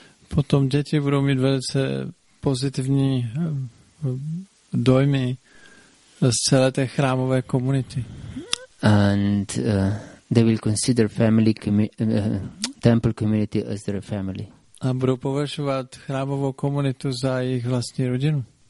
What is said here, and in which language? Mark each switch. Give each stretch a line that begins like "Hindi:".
Czech: Potom děti budou mít velice pozitivní dojmy z celé té chrámové komunity.
English: And they will consider family temple community as their family.
Czech: A budou považovat chrámovou komunitu za jejich vlastní rodinu.